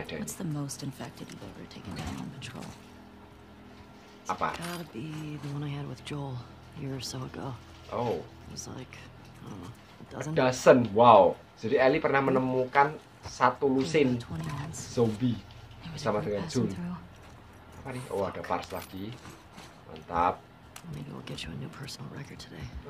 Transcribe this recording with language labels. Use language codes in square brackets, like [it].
[en] What's the most infected you've ever taken down on patrol? [id] Apa? [en] It's gotta be the one I had with Joel a year or so ago. Oh. It was like, I don't know, a dozen. Wow. [id] Jadi Ellie pernah menemukan satu lusin zombie bersama dengan June. Apa nih? Oh, ada parts lagi. Mantap. [en] Maybe we'll get you a new personal record today.